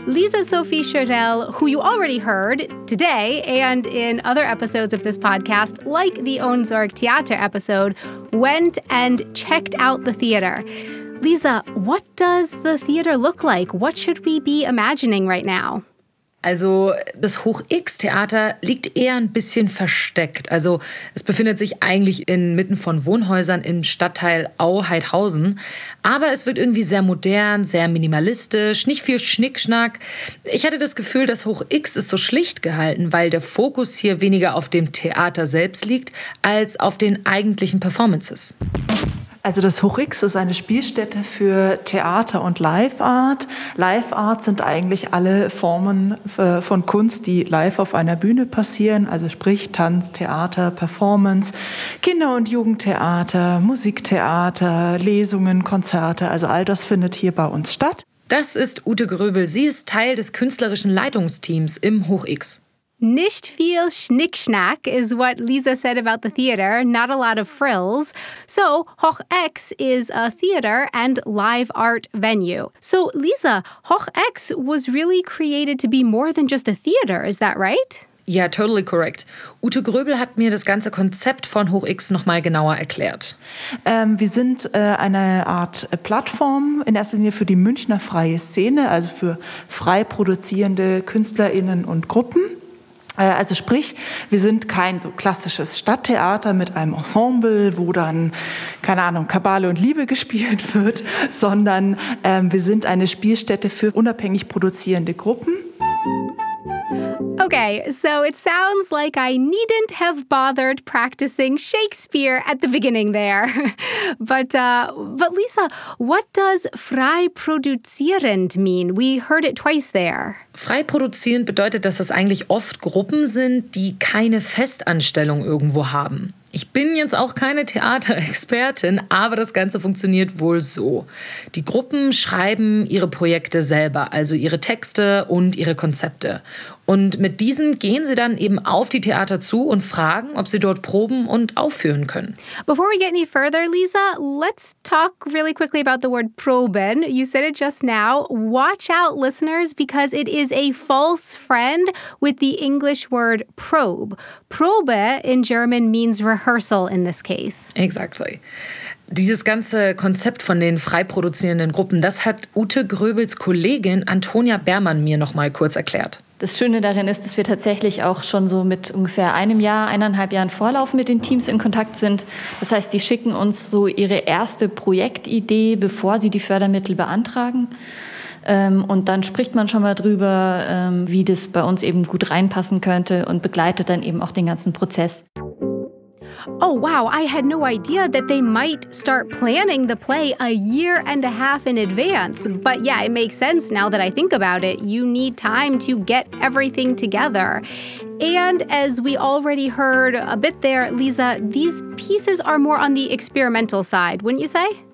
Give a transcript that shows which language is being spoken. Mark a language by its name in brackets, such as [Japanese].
[English] Lisa Sophie Schirrell, who you already heard today and in other episodes of this podcast, like the Ohnsorg Theater episode, went and checked out the theater. Lisa, what does the theater look like? What should we be imagining right now? [German] Also, das Hoch-X-Theater liegt eher ein bisschen versteckt. Also, es befindet sich eigentlich inmitten von Wohnhäusern im Stadtteil Au-Heidhausen. Aber es wird irgendwie sehr modern, sehr minimalistisch, nicht viel Schnickschnack. Ich hatte das Gefühl, das Hoch-X ist so schlicht gehalten, weil der Fokus hier weniger auf dem Theater selbst liegt, als auf den eigentlichen Performances. Also das Hoch-X ist eine Spielstätte für Theater und Live-Art. Live-Art sind eigentlich alle Formen von Kunst, die live auf einer Bühne passieren. Also sprich Tanz, Theater, Performance, Kinder- und Jugendtheater, Musiktheater, Lesungen, Konzerte. Also all das findet hier bei uns statt. Das ist Ute Gröbel. Sie ist Teil des künstlerischen Leitungsteams im Hoch-X. Nicht viel Schnickschnack [English] is what Lisa said about the theater, not a lot of frills. So Hoch-X is a theater and live art venue. So Lisa, Hoch-X was really created to be more than just a theater, is that right? Yeah, totally correct. [German] Ute Gröbel hat mir das ganze Konzept von Hoch-X nochmal genauer erklärt. Wir sind eine Art Plattform, in erster Linie für die Münchner freie Szene, also für frei produzierende KünstlerInnen und Gruppen. Also sprich, wir sind kein so klassisches Stadttheater mit einem Ensemble, wo dann, keine Ahnung, Kabale und Liebe gespielt wird, sondern wir sind eine Spielstätte für unabhängig produzierende Gruppen. [English] Okay, so it sounds like I needn't have bothered practicing Shakespeare at the beginning there. But Lisa, what does frei produzierend mean? We heard it twice there. [German] Frei produzierend bedeutet, dass das eigentlich oft Gruppen sind, die keine Festanstellung irgendwo haben. Ich bin jetzt auch keine Theaterexpertin, aber das Ganze funktioniert wohl so. Die Gruppen schreiben ihre Projekte selber, also ihre Texte und ihre Konzepte. Und mit diesen gehen sie dann eben auf die Theater zu und fragen, ob sie dort proben und aufführen können. [English] Before we get any further, Lisa, let's talk really quickly about the word proben. You said it just now. Watch out, listeners, because it is a false friend with the English word probe. Probe in German means rehearsal in this case. Exactly. [German] Dieses ganze Konzept von den frei produzierenden Gruppen, das hat Ute Gröbels Kollegin Antonia Bermann mir noch mal kurz erklärt. Das Schöne darin ist, dass wir tatsächlich auch schon so mit ungefähr einem Jahr, eineinhalb Jahren Vorlauf mit den Teams in Kontakt sind. Das heißt, die schicken uns so ihre erste Projektidee, bevor sie die Fördermittel beantragen. Und dann spricht man schon mal drüber, wie das bei uns eben gut reinpassen könnte und begleitet dann eben auch den ganzen Prozess. [English] Oh, wow, I had no idea that they might start planning the play a year and a half in advance. But yeah, it makes sense now that I think about it. You need time to get everything together. And as we already heard a bit there, Lisa, these pieces are more on the experimental side, wouldn't you say?